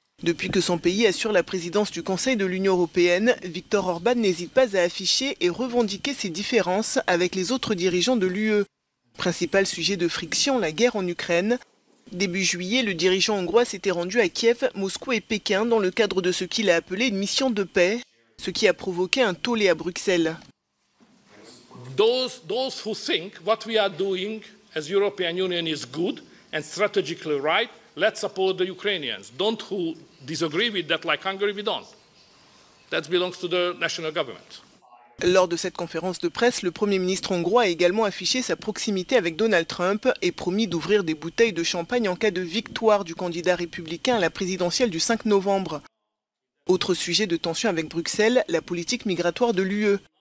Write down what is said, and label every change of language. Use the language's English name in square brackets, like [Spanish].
[French] Depuis que son pays assure la présidence du Conseil de l'Union européenne, Viktor Orban n'hésite pas à afficher et revendiquer ses différences avec les autres dirigeants de l'UE. Principal sujet de friction, la guerre en Ukraine. Début juillet, le dirigeant hongrois s'était rendu à Kiev, Moscou et Pékin dans le cadre de ce qu'il a appelé une mission de paix, ce qui a provoqué un tollé à Bruxelles. [English] Those who think what we are doing as European Union is good and strategically right, let's support the Ukrainians. Don't who disagree with that, like Hungary, we don't. That belongs to the national government. [French] Lors de cette conférence de presse, le Premier ministre hongrois a également affiché sa proximité avec Donald Trump et promis d'ouvrir des bouteilles de champagne en cas de victoire du candidat républicain à la présidentielle du 5 novembre. Autre sujet de tension avec Bruxelles, la politique migratoire de l'UE.